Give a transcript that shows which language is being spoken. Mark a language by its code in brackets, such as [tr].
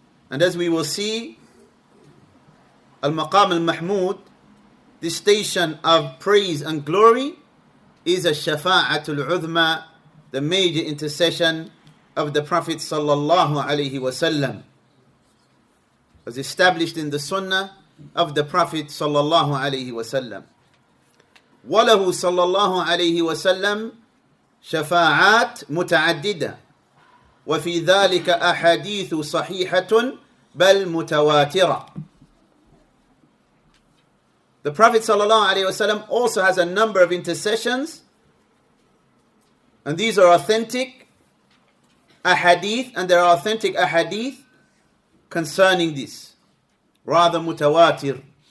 [en] And as we will see, Al-Maqam Al-Mahmud, this station of praise and glory, is a Shafa'atul Uthma, the major intercession of the Prophet sallallahu alayhi wa sallam, as established in the Sunnah of the Prophet sallallahu alayhi wa sallam. [ar] Walahu sallallahu alayhi wa sallam شفاعات متعددة وفي ذلك أحاديث صحيحة بل متواترة. [en] The Prophet sallallahu alaihi wasallam also has a number of intercessions, and these are authentic ahadith, and there are authentic ahadith concerning this, rather متواتر.